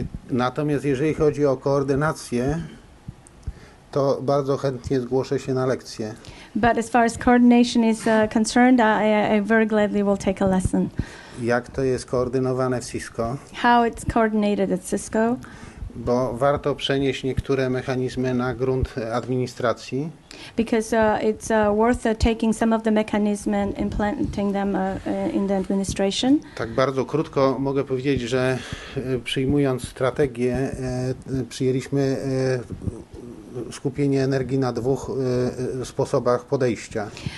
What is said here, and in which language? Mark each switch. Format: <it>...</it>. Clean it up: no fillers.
<pl>Natomiast jeżeli chodzi o koordynację, to bardzo chętnie zgłoszę się na lekcje.</pl> <en>But as far as coordination is concerned, I very gladly will take a lesson.</en> <pl>Jak to jest koordynowane w Cisco?</pl> <en>How it's coordinated at Cisco?</en> <pl>Bo warto przenieść niektóre mechanizmy na grunt administracji.</pl> <en>Because it's worth taking some of the mechanisms and implementing them in the administration.</en> <pl>Tak bardzo krótko mogę powiedzieć, że przyjmując strategię, przyjęliśmy skupienie energii na dwóch sposobach podejścia.</pl>